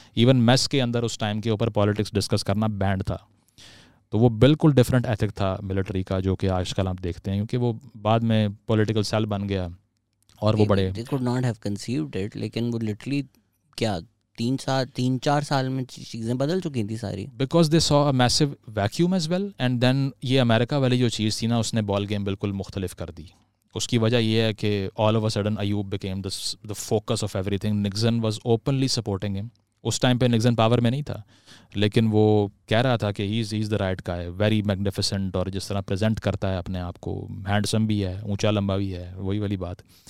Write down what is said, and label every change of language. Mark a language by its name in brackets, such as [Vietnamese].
[Urdu] Even mass کے اندر اس time کے اوپر پالیٹکس ڈسکس کرنا بینڈ تھا, تو وہ بالکل ڈفرینٹ ایتھک تھا ملٹری کا جو کہ آج کل آپ دیکھتے ہیں, کیونکہ وہ بعد میں پولیٹیکل سیل بن گیا اور وہ بڑے [English] They could not have conceived it. [Urdu] لیکن وہ لٹرلی کیا تین چار سال میں چیزیں بدل چکی تھیں ساری, [English] Because they saw a massive vacuum as well. [Urdu] And then یہ امریکہ والی جو چیز تھی نا, اس نے بال گیم بالکل مختلف کر دی. [English] اس کی وجہ یہ ہے کہ all over sudden Ayub became the focus of everything. [Urdu] Nixon was openly supporting ہم, اس ٹائم پہ نکسن پاور میں نہیں تھا, لیکن وہ کہہ رہا تھا کہ ہی از the right guy, very magnificent, اور جس طرح پریزنٹ کرتا ہے اپنے آپ کو, ہینڈسم بھی ہے, اونچا لمبا بھی ہے, وہی والی بات.